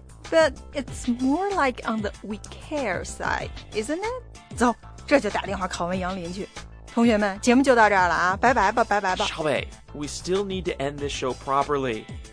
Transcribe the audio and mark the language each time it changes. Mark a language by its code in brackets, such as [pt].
[en] But it's more like on the we care side, isn't it? [zh] 走，这就打电话拷问Yanglin去。同学们，节目就到这儿了啊，拜拜吧，拜拜吧。 [en] 小伟，we still need to end this show properly.